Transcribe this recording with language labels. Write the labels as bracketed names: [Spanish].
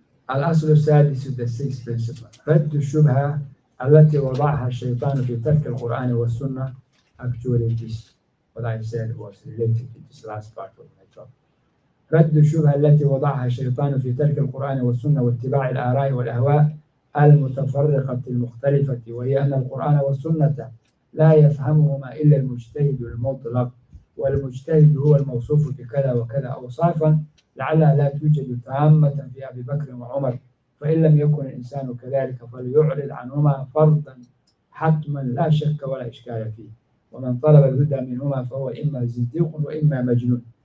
[Arabic] الأصل السادس هو [English] السيكس برنسبل [Arabic] رد الشبهة التي وضعها الشيطان في ترك القرآن والسنة. [English] Actually this what I said was related to this last part of my talk. [Arabic] رد الشبهة التي وضعها الشيطان في ترك القرآن والسنة واتباع الآراء والأهواء المتفرقة المختلفة, وهي أن القرآن والسنة لا يفهمهما إلا المجتهد المطلق, والمجتهد هو الموصوف بكذا وكذا أوصافا لعلها لا توجد تامة في أبي بكر وعمر, فإن لم يكن الإنسان كذلك فليعرض عنهما فرضا حتما لا شك ولا إشكال فيه, ومن طلب الهدى منهما فهو إما زنديق وإما مجنون.